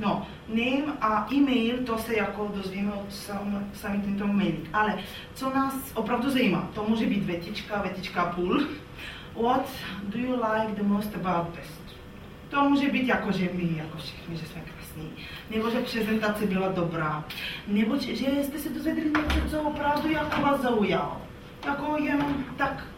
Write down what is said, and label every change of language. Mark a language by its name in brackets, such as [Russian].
[Czech] No, name a e-mail, to se jako dozvíme od sami tento e-mailík. Ale co nás opravdu zajímá, to může být větička půl. [English] What do you like the most about BEST? [Czech] To může být jako, že my jako všichni, že jsme krásní. Nebo že prezentace byla dobrá. Nebo že jste se dozvěděli něco, co opravdu jako vás zaujalo. Jako jenom tak